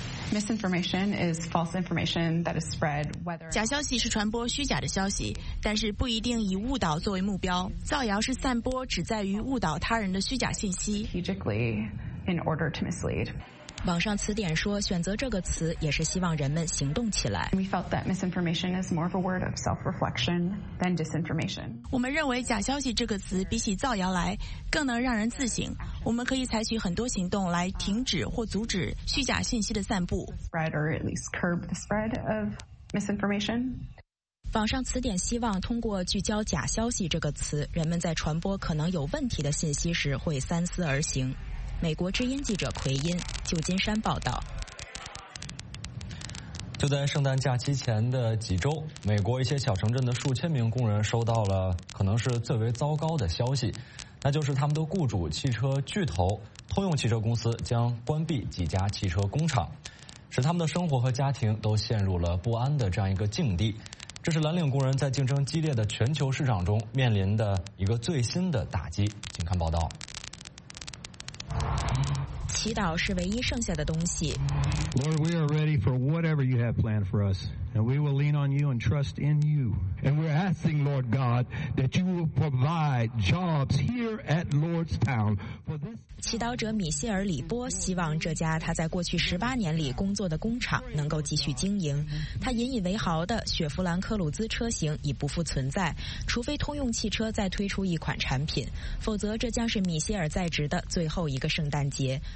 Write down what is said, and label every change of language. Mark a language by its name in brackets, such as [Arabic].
[English] Misinformation is false information that is spread, whether [Chinese] 假消息是传播虚假的消息，但是不一定以误导作为目标。造谣是散播旨在于误导他人的虚假信息。 [English] Strategically, in order to mislead. [Chinese] 网上词典说，选择这个词也是希望人们行动起来。 [English] We felt that misinformation is more of a word of self-reflection than disinformation. [Chinese] 我们认为假消息这个词比起造谣来更能让人自省。我们可以采取很多行动来停止或阻止虚假信息的散布。 [English] Spread or at least curb the spread of misinformation. [Chinese] 网上词典希望通过聚焦假消息这个词，人们在传播可能有问题的信息时会三思而行。美国之音记者奎因，旧金山报道。就在圣诞假期前的几周，美国一些小城镇的数千名工人收到了可能是最为糟糕的消息，那就是他们的雇主汽车巨头通用汽车公司将关闭几家汽车工厂，使他们的生活和家庭都陷入了不安的这样一个境地。这是蓝领工人在竞争激烈的全球市场中面临的一个最新的打击。请看报道。祈祷是唯一剩下的东西。 [English] Lord, we are ready for whatever you have planned for us, and we will lean on you and trust in you. And we're asking, Lord God, that you will provide jobs here at Lordstown for this. [Chinese] 祈祷者米歇尔·里波希望这家他在过去18年里工作的工厂能够继续经营。他引以为豪的雪佛兰科鲁兹车型已不复存在，除非通用汽车再推出一款产品，否则这将是米歇尔在职的最后一个圣诞节。